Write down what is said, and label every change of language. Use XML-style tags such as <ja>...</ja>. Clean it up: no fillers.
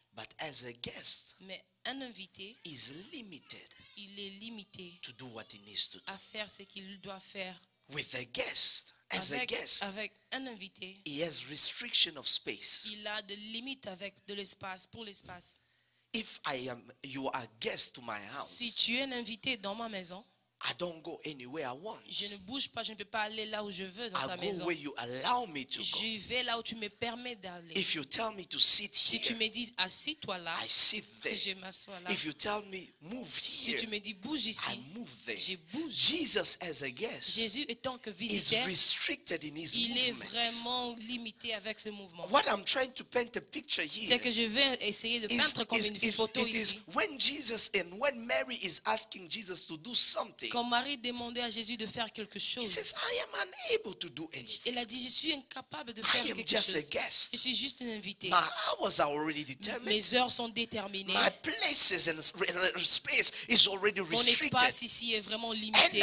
<en>But as a guest,</en> <fr>mais un invité,</fr> <en>is limited.</en> <fr>Il est limité.</fr> <en>To do what he needs to do.</en> <fr>À faire ce qu'il doit faire.</fr> <en>With a guest, as</en> <fr>avec,</fr> <en>a guest,</en> <fr>avec un invité,</fr> <en>he has restriction of space.</en> <fr>Il a des limites avec de l'espace pour l'espace.</fr> <en>If I am, you are a guest to my house.</en> <fr>Si tu es un invité dans ma maison,</fr> <en>I don't go anywhere I want.</en> <fr>Je ne bouge pas, je ne peux pas aller là où je veux dans</fr> <en>I</en> <fr>ta</fr> <en>go</en> <fr>maison.</fr> <en>Where you allow me to</en> <fr>je</fr> <en>go.</en> <fr>Vais là où tu me permets d'aller.</fr> <en>If you tell me to sit</en> <fr>si</fr> <en>here,</en> <fr>tu me dis assis-toi là,</fr> <en>I sit there.</en> <fr>Je m'assois là.</fr> <en>If you tell me move here,</en> <fr>si tu me dis bouge ici,</fr> <en>I move there.</en> <fr>Je bouge.</fr> <en>Jesus as a guest,</en> <fr>Jésus étant que visiteur,</fr> <en>is restricted in his</en> <fr>il</fr> <en>movement.</en> <fr>Est vraiment limité avec ce mouvement.</fr> <en>What I'm trying to paint a picture here,</en> <fr>c'est que je vais essayer de peindre comme une photo</fr> <en>it</en> <fr>ici.</fr> <en>Is when Jesus and when Mary is asking Jesus to do something.</en> <fr>Quand Marie demandait à Jésus de faire quelque chose,</fr> <en>he says, I am unable to do anything.</en> <fr>Elle a dit, je suis incapable de faire</fr> <en>I am</en> <fr>quelque</fr> <en>just</en> <fr>chose.</fr> <en>A guest.</en> <fr>Je suis juste un invité.</fr> <en>My hours are already determined.</en> <fr>Mes heures sont déterminées.</fr> <en>My places and space is already restricted.</en> <fr>Mon espace ici est vraiment limité.</fr>